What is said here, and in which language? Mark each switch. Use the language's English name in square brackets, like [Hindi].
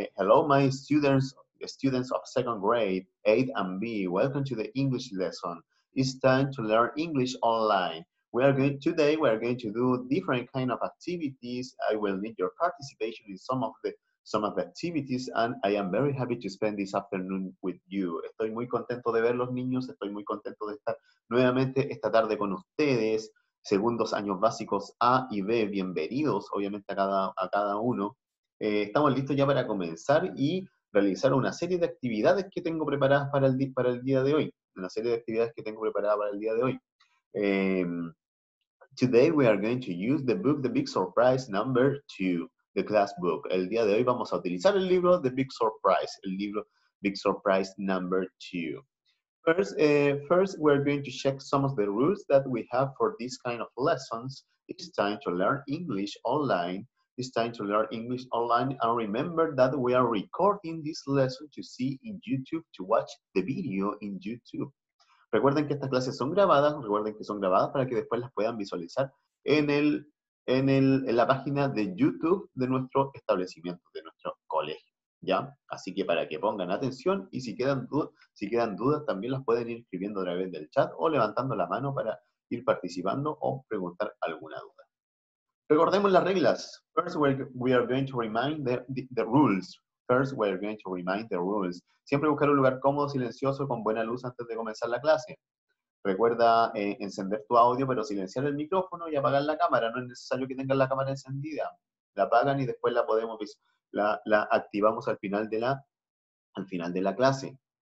[English] Hello, my students of second grade, 8 and B. Welcome to the English lesson. It's time to learn English online. We are going to do different kind of activities. I will need your participation in some of the activities, and I am very happy to spend this afternoon with you. [Spanish] Estoy muy contento de ver los niños. Estoy muy contento de estar nuevamente esta tarde con ustedes. Segundos años básicos A y B, bienvenidos, obviamente, a cada uno. Estamos listos ya para comenzar y realizar una serie de actividades que tengo preparadas para el día de hoy. Una serie de actividades que tengo preparadas para el día de hoy. [English] Today we are going to use the book The Big Surprise Number 2, the class book. [Spanish] El día de hoy vamos a utilizar el libro The Big Surprise, el libro Big Surprise Number 2. [English] First, we're going to check some of the rules that we have for this kind of lessons. It's time to learn English online. It's time to learn English online. And remember that we are recording this lesson to see in YouTube, to watch the video in YouTube. [Spanish] Recuerden que estas clases son grabadas. Recuerden que son grabadas para que después las puedan visualizar en la página de YouTube de nuestro establecimiento, de nuestro colegio. ¿Ya? Así que para que pongan atención y si quedan dudas también las pueden ir escribiendo a través del chat o levantando la mano para ir participando o preguntar alguna duda. Recordemos las reglas. [English] First we are going to remind the rules. First we are going to remind the rules. [Spanish] Siempre buscar un lugar cómodo, silencioso, con buena luz antes de comenzar la clase. Recuerda encender tu audio pero silenciar el micrófono y apagar la cámara. No es necesario que tengan la cámara encendida. La apagan y después la podemos visualizar. La activamos al final de la clase.